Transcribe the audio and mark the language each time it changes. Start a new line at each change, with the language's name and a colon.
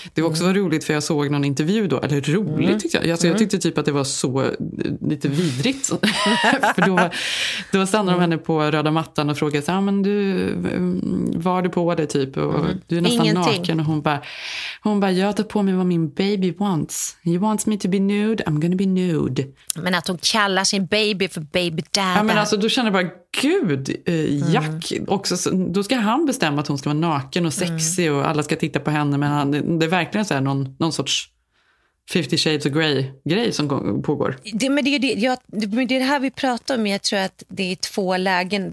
Swedish: Det var också var roligt, för jag såg någon intervju då. Eller roligt tyckte jag. Jag tyckte typ att det var så lite vidrigt. För då stannade de henne på röda mattan och frågade så här, men du, var du på det typ? Och du är nästan ingenting naken. Och hon bara, jag tar på mig vad min
English: baby wants. He wants me to be nude, I'm gonna be nude.
Swedish: Men att hon kallar sin baby för baby dad. Ja, men alltså då känner jag bara, gud, Jack också. Då ska han bestämma att hon ska vara naken och sexy och alla ska titta på henne. Men det är verkligen så här någon sorts 50 Shades of Grey-grej som pågår. Det är det här vi pratar om. Jag tror att det är två lägen.